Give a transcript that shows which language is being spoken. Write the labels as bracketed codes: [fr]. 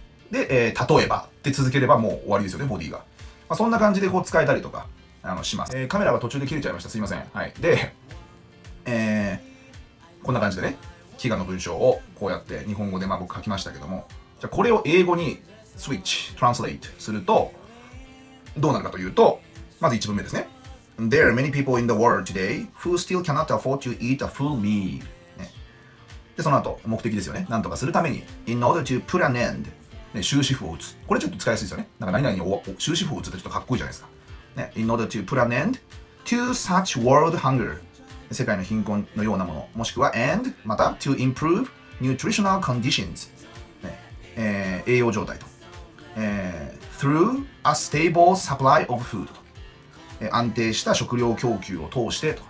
[ja] で、例えばって続ければもう終わりですよね、ボディが。まあ、そんな感じでこう使えたりとかします。カメラは途中で切れちゃいました、すいません。はい。で、こんな感じでね、飢餓の文章をこうやって日本語でまあ僕書きましたけども、じゃこれを英語にスイッチ、トランスレートするとどうなるかというと、まず1文目ですね。 [en] There are many people in the world today who still cannot afford to eat a full meal、 [ja] ね、でその後目的ですよね、なんとかするために [en] in order to put an end、ね、 [ja] 終止符を打つ、これちょっと使いやすいですよね。なんか何々に終止符を打つってちょっとかっこいいじゃないですか、ね、 [en] in order to put an end to such world hunger、 [ja] 世界の貧困のようなもの、もしくは and また [en] to improve nutritional conditions、 [ja] ね、栄養状態と、 [en] through a stable supply of food、 [ja] 安定した食料供給を通してと。